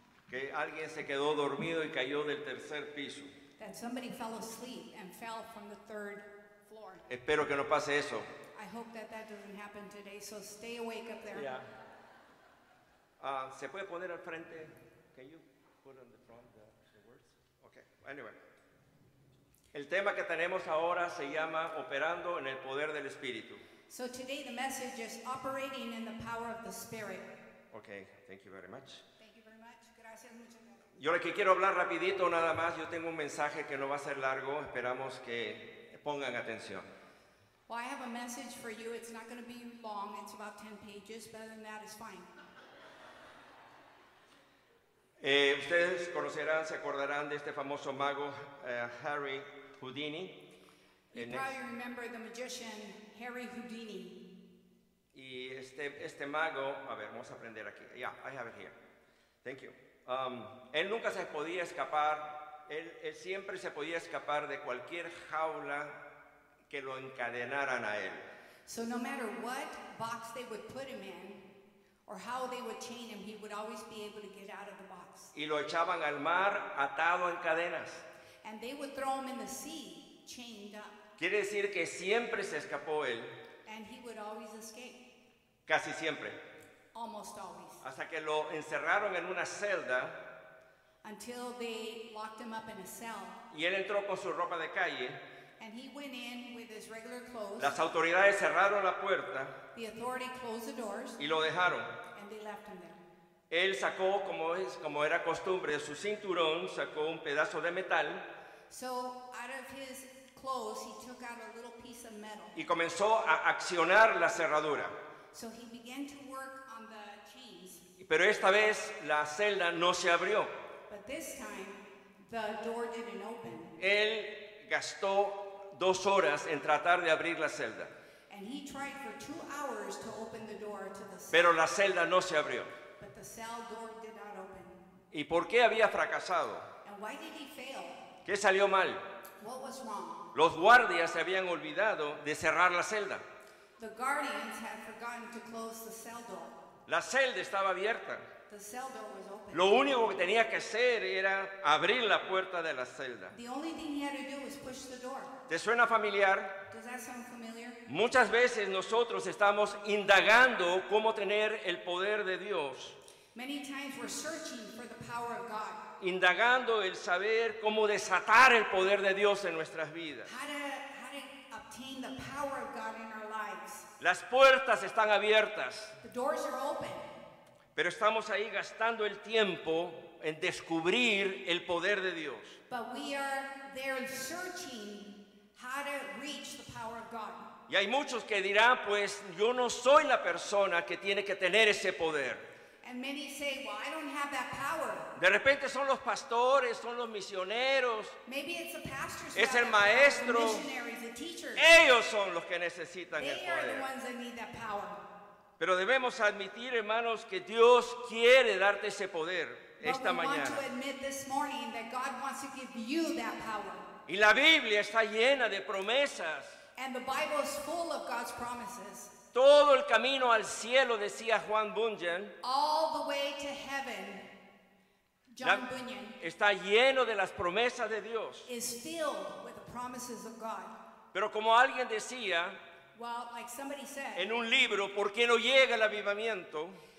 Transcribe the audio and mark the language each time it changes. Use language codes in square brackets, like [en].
[es] que alguien se quedó dormido y cayó del tercer piso. [en] That somebody fell asleep and fell from the third floor. [es] Espero que no pase eso. [en] I hope that doesn't happen today, so stay awake up there. [es] Yeah. ¿Se puede poner al frente? [en] Can you put on the front the words? Okay, anyway. [es] El tema que tenemos ahora se llama Operando en el Poder del Espíritu. [en] So today the message is Operating in the Power of the Spirit. Okay, thank you very much. Thank you very much. [es] Gracias mucho. Yo lo que quiero hablar rapidito nada más, yo tengo un mensaje que no va a ser largo, esperamos que pongan atención. [en] Well, I have a message for you. It's not going to be long. It's about 10 pages, but other than that, it's fine. [es] Ustedes conocerán, se acordarán de este famoso mago, Harry Houdini. [en] You probably remember the magician, Harry Houdini. [es] Y este mago, a ver, vamos a aprender aquí. [en] Yeah, I have it here. Thank you. [es] Él nunca se podía escapar. Él siempre se podía escapar de cualquier jaula que lo encadenaran a él. [en] So no matter what box they would put him in or how they would chain him, he would always be able to get out of the box. [es] Y lo echaban al mar atado en cadenas. [en] And they would throw him in the sea chained up. [es] Quiere decir que siempre se escapó él. [en] And he would always escape. [es] Casi siempre. [en] Almost always. [es] Hasta que lo encerraron en una celda. [en] Until they locked him up in a cell. [es] Y él entró con su ropa de calle. [en] And he went in with his regular clothes. [es] Las autoridades cerraron la puerta. [en] The authority closed the doors. [es] Y lo dejaron. [en] And they left him there. [es] Él sacó, como era costumbre, de su cinturón, sacó un pedazo de metal. [en] So out of his clothes, he took out a little piece of metal. [es] Y comenzó a accionar la cerradura. [en] So he began to work on the chains. [es] Pero esta vez la celda no se abrió. [en] But this time, the door didn't open. [es] Él gastó 2 horas en tratar de abrir la celda. [en] And he tried for 2 hours to open the door to the cell. [es] Pero la celda no se abrió. [en] But the cell door did not open. [es] ¿Y por qué había fracasado? [en] And why did he fail? [es] ¿Qué salió mal? [en] What was wrong? [es] Los guardias se habían olvidado de cerrar la celda. [en] The guardians had forgotten to close the cell door. [es] La celda estaba abierta. [en] The cell door was open. [es] Lo único que tenía que hacer era abrir la puerta de la celda. [en] The only thing he had to do was push the door. [es] ¿Te suena familiar? [en] Does that sound familiar? [es] Muchas veces nosotros estamos indagando cómo tener el poder de Dios. [en] Many times we're searching for the power of God. [es] Indagando el saber cómo desatar el poder de Dios en nuestras vidas. [en] How to obtain the power of God in our lives. [es] Las puertas están abiertas. [en] The doors are open. [es] Pero estamos ahí gastando el tiempo en descubrir el poder de Dios. [en] But we are there searching how to reach the power of God. [es] Y hay muchos que dirán, pues yo no soy la persona que tiene que tener ese poder. [en] And many say, well, I don't have that power. [es] De repente son los pastores, son los misioneros. [en] Maybe it's the pastors, [es] es el maestro. Ellos son los que necesitan [en] they [es] el poder. [en] Are the ones that need that power. [es] Pero debemos admitir, hermanos, que Dios quiere darte ese poder esta mañana. [en] But we want to admit this morning that God wants to give you that power. [es] Y la Biblia está llena de promesas. [en] And the Bible is full of God's promises. [es] Todo el camino al cielo, decía Juan Bunyan. [en] All the way to heaven, John Bunyan. [es] Está lleno de las promesas de Dios. [en] Is filled with the promises of God. [es] Pero como alguien decía, [en] well, like somebody said, [es] en un libro, ¿por qué no llega el avivamiento?